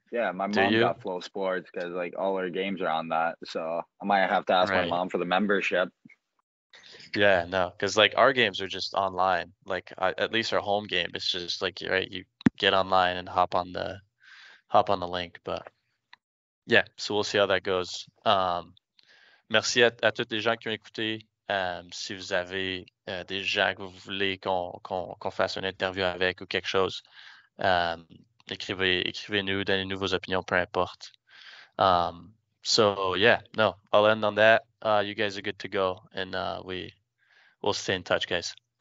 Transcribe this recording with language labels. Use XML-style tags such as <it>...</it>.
<en>Yeah, my mom got Flow Sports because like all our games are on that. So I might have to ask my mom for the membership. Yeah, no, because like our games are just online. Like at least our home game, it's just like you get online and hop on the link. But yeah, so we'll see how that goes.</en> <fr>Merci à toutes les gens qui ont écouté. Si vous avez des gens que vous voulez qu'on fasse une interview avec ou quelque chose, écrivez-nous, donnez-nous vos opinions, peu importe.</fr> <en>I'll end on that. You guys are good to go, and we'll stay in touch, guys.</en>